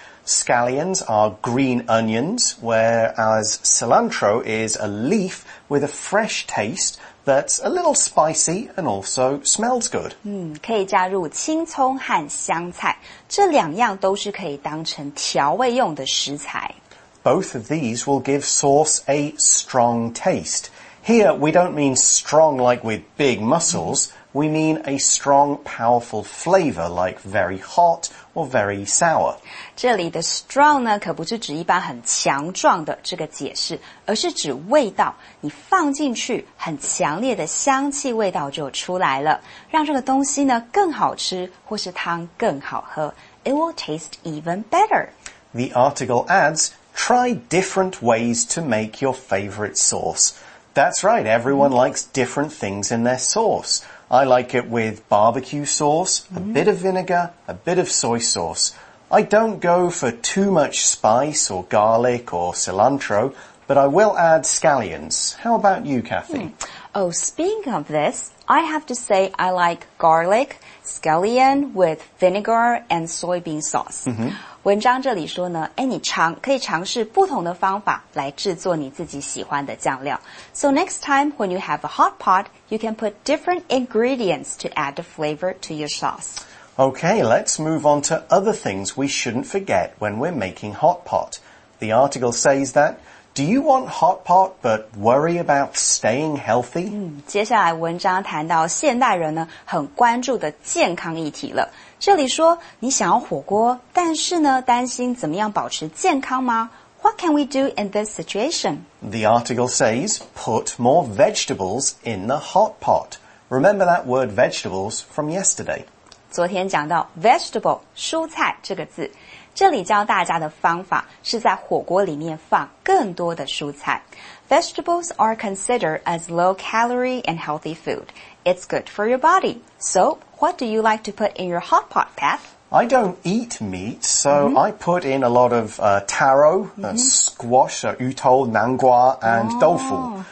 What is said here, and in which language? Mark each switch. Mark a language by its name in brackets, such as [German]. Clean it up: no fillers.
[English] Scallions are green onions, whereas cilantro is a leaf with a fresh taste that's a little spicy and also smells good. [Chinese] 可以加入青葱和香菜，这两样都是可以当成调味用的食材。 [English] Both of these will give sauce a strong taste. Here, we don't mean strong like with big muscles. We mean a strong, powerful flavor like very hot or very sour. [Chinese] 这里的 strong 呢可不是指一般很强壮的这个解释，而是指味道。你放进去很强烈的香气味道就出来了，让这个东西呢更好吃或是汤更好喝。 [English] It will taste even better. The article adds,Try different ways to make your favorite sauce. That's right, everyone likes different things in their sauce. I like it with barbecue sauce, a bit of vinegar, a bit of soy sauce. I don't go for too much spice or garlic or cilantro, but I will add scallions. How about you, Kathy? Oh, speaking of this, I have to say I like garlic, scallion with vinegar and soybean sauce. Mm-hmm. [Chinese] 文章这里说呢，哎，你尝可以尝试不同的方法来制作你自己喜欢的酱料。 [English] So next time when you have a hot pot, you can put different ingredients to add the flavor to your sauce. Okay, let's move on to other things we shouldn't forget when we're making hot pot. The article says that, do you want hot pot but worry about staying healthy? [Chinese] 接下来文章谈到现代人呢很关注的健康议题了。这里说你想要火锅，但是呢担心怎么样保持健康吗？ [English] What can we do in this situation? The article says, put more vegetables in the hot pot. Remember that word vegetables from yesterday. [Chinese] 昨天讲到 vegetable, 蔬菜这个字。这里教大家的方法是在火锅里面放更多的蔬菜。 [English] Vegetables are considered as low calorie and healthy food. It's good for your body. So, what do you like to put in your hot pot, Pat? I don't eat meat, so I put in a lot of taro, squash, utol, nangua, and tofu.